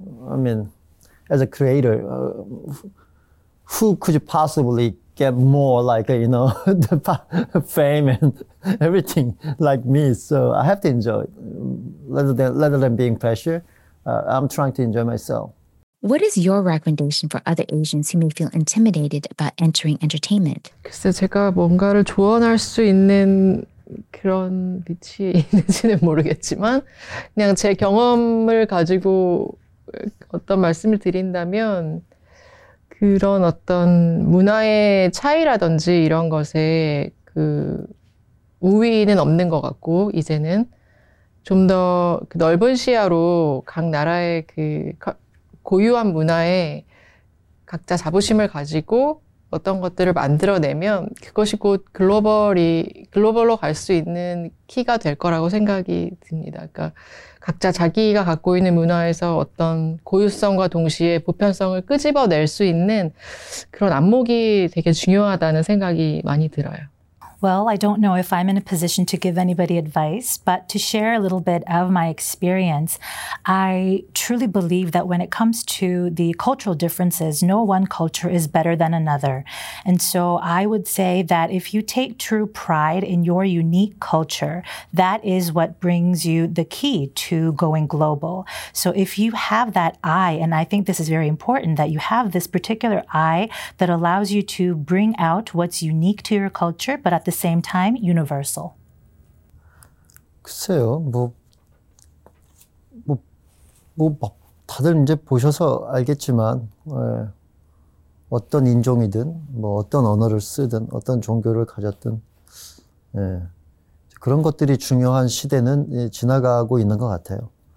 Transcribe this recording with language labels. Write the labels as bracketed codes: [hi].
[en] I mean, as a creator, who could you possibly get more, like, you know, fame and everything like me? So I have to enjoy it, rather than being pressure. I'm trying to enjoy myself. What is your recommendation for other Asians who may feel intimidated about entering entertainment? [ko] 글쎄, 제가 뭔가를 조언할 수 있는 그런 위치에 있는지는 모르겠지만, 그냥 제 경험을 가지고 어떤 말씀을 드린다면, 그런 어떤 문화의 차이라든지 이런 것에 그 우위는 없는 것 같고, 이제는 좀 더 넓은 시야로 각 나라의 그 고유한 문화에 각자 자부심을 가지고 어떤 것들을 만들어내면 그것이 곧 글로벌로 갈 수 있는 키가 될 거라고 생각이 듭니다. 그러니까 각자 자기가 갖고 있는 문화에서 어떤 고유성과 동시에 보편성을 끄집어낼 수 있는 그런 안목이 되게 중요하다는 생각이 많이 들어요. [en] Well, I don't know if I'm in a position to give anybody advice, but to share a little bit of my experience, I truly believe that when it comes to the cultural differences, no one culture is better than another. And so I would say that if you take true pride in your unique culture, that is what brings you the key to going global. So if you have that eye, and I think this is very important, that you have this particular eye that allows you to bring out what's unique to your culture, but at the same time, universal. [ko] 글쎄요, 뭐 다들 이제 보셔서 알겠지만 어떤 인종이든 뭐 어떤 언어를 쓰든 어떤 종교를 가졌든 그런 것들이 중요한 시대는 지나가고 있는 것 같아요.